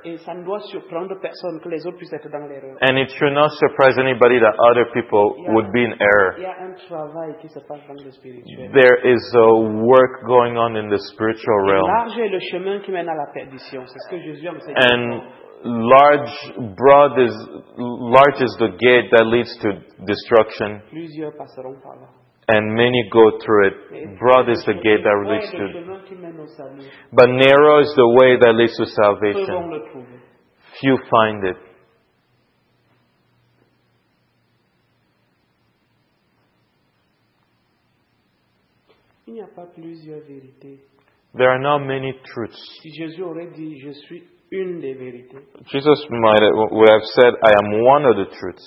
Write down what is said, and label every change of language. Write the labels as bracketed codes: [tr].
[fr] Et ça ne doit surprendre personne que les autres puissent être dans l'erreur. [en] And it should not surprise anybody that other people would be in error. [fr] Il y a un travail qui se passe dans le spirituel. [en] There is a work going on in the spiritual realm. [fr] Large est le chemin qui mène à la perdition. C'est ce que Jésus enseigne. [en] And large, broad is large is the gate that leads to destruction. [fr] Plusieurs passeront par là. [en] And many go through it. Broad is the gate that leads to [fr] salut. [en] But narrow is the way that leads to salvation. Few find it. [fr] Il n'y a pas plusieurs vérités. [en] There are not many truths. [fr] Si Jésus aurait dit, je suis une des vérités. [en] Jesus would have said, I am one of the truths.